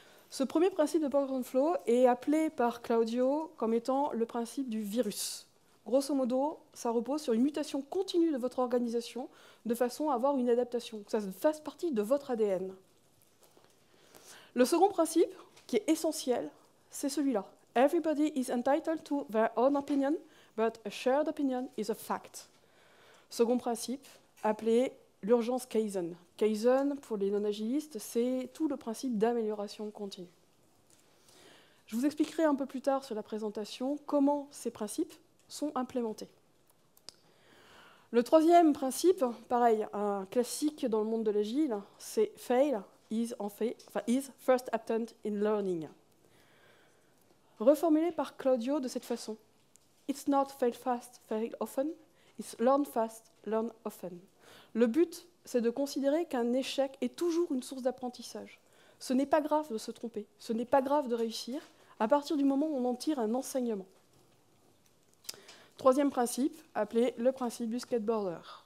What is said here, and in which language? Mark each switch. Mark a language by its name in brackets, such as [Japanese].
[French] Ce premier principe de Popcorn Flow est appelé par Claudio comme étant le principe du virus. Grosso modo, ça repose sur une mutation continue de votre organisation de façon à avoir une adaptation, que ça fasse partie de votre ADN. Le second principe, qui est essentiel, c'est celui-là. [English] Everybody is entitled to their own opinion, but a shared opinion is a fact. [French] Second principe, appelé l'urgence Kaizen. Kaizen, pour les non-agilistes, c'est tout le principe d'amélioration continue. Je vous expliquerai un peu plus tard sur la présentation comment ces principes sont implémentés. Le troisième principe, pareil, un classique dans le monde de l'agile, c'est « [English] fail is first attempt in learning ». [French] Reformulé par Claudio de cette façon. [English] « It's not fail fast, fail often, it's learn fast, learn often ». [French] Le but, c'est de considérer qu'un échec est toujours une source d'apprentissage. Ce n'est pas grave de se tromper, ce n'est pas grave de réussir, à partir du moment où on en tire un enseignement. Troisième principe, appelé le principe du skateboarder.